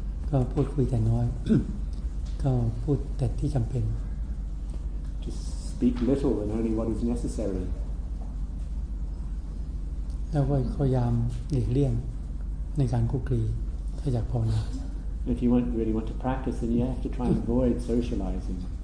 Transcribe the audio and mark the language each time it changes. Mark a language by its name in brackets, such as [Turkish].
[Thai] ก็พูดคุยแต่น้อยก็พูดแต่ที่จำเป็น [English] Just speak little and only what is necessary [Thai] แล้วก็พยายามหลีกเลี่ยงในการคุกคีถ้าอยากภาวนา [English] If you really want to practice then you have to try and avoid socializing